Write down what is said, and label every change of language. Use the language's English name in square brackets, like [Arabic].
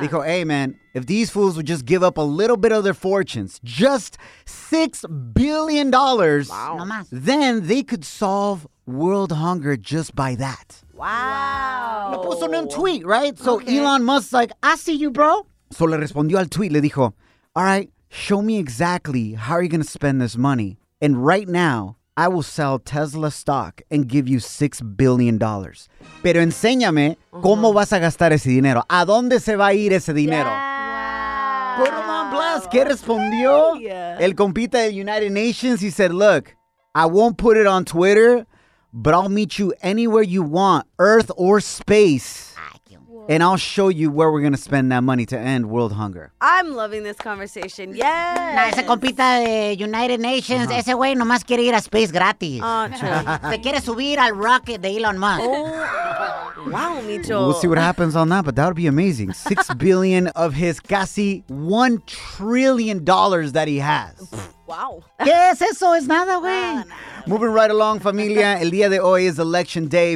[English] Dijo, hey, man, if these fools would just give up a little bit of their fortunes, just $6 billion, then they could solve world hunger just by that. Wow. [Spanish] Lo puso en un tweet, [English] right? So okay. Elon Musk's like, I see you, bro. So [Spanish] le respondió al tweet, le dijo, [English] all right, show me exactly how are you going to spend this money. And right now, I will sell Tesla stock and give you $6 billion. [Spanish] Pero enséñame cómo vas a gastar ese dinero. ¿A dónde se va a ir ese dinero? [English] Yeah. Put him on blast. [Spanish] ¿Qué respondió? El compita de [English] United Nations, he said, look, I won't put it on Twitter, but I'll meet you anywhere you want, earth or space. And I'll show you where we're going to spend that money to end world hunger. I'm loving this conversation. Yes. [Spanish] Nah, ese compita de United Nations, ese güey nomás quiere ir a space gratis. [English] Oh, true. [Spanish] Se quiere subir al rocket de Elon Musk. [English] Oh. Wow, Micho. We'll see what happens on that, but that would be amazing. $6 billion of his casi $1 trillion that he has. Wow. [Spanish] ¿Qué es eso? Es nada, güey. Nada. [English] Moving right along, familia. [Spanish] El día de hoy [English] is election day.